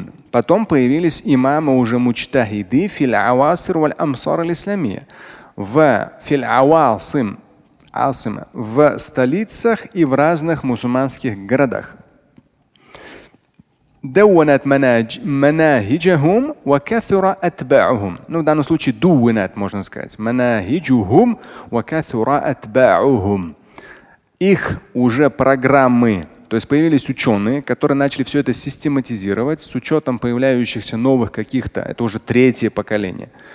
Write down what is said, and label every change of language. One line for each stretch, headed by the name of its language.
Russian: Потом появились имамы уже мучтахиды филь-авасир валь-амсар аль-исламия в филь-авасим, в столицах и в разных мусульманских городах.
Arabic: دونت مناهجهم وكثر أتباعهم.
Russian: Ну, в данном случае دونت, можно сказать.
Arabic: مناهجهم وكثر أتباعهم.
Russian: Их уже программы, то есть появились ученые, которые начали все это систематизировать с учетом появляющихся новых каких-то, это уже третье поколение.